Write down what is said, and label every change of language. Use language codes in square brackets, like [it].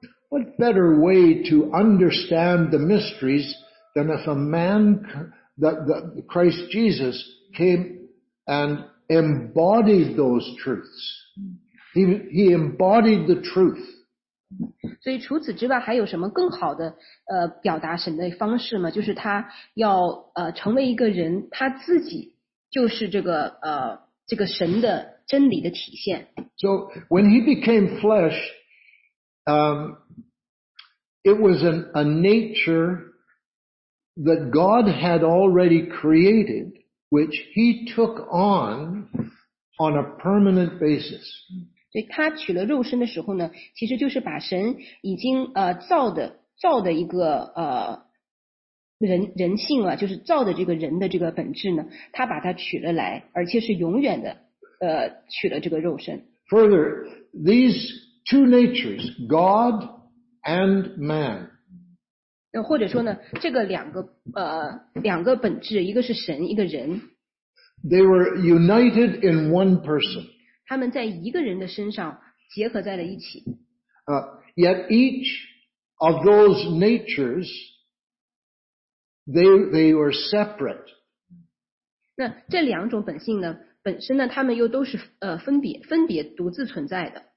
[en] What better way to understand the mysteries than if a man that Christ Jesus came and embodied those truths? He embodied the truth. [zh] 所以除此之外还有什么更好的表达神的方式吗？就是他要成为一个人，他自己就是这个神的真理的体现。 [en] So when he became flesh, it was a nature that God had already created, which he took on a permanent basis. [zh] 所以他取了肉身的时候呢，其实就是把神已经造的一个人性啊，就是造的这个人的这个本质呢，他把它取了来，而且是永远的取了这个肉身。 [en] Further, these two natures, God and man. [zh] 那或者说呢，这个两个本质，一个是神，一个人。 [en] They were united in one person. [zh] 他们在一个人的身上结合在了一起。 [en] Yet each of those natures, they were separate. [zh] 那这两种本性呢，本身呢，他们又都是分别独自存在的。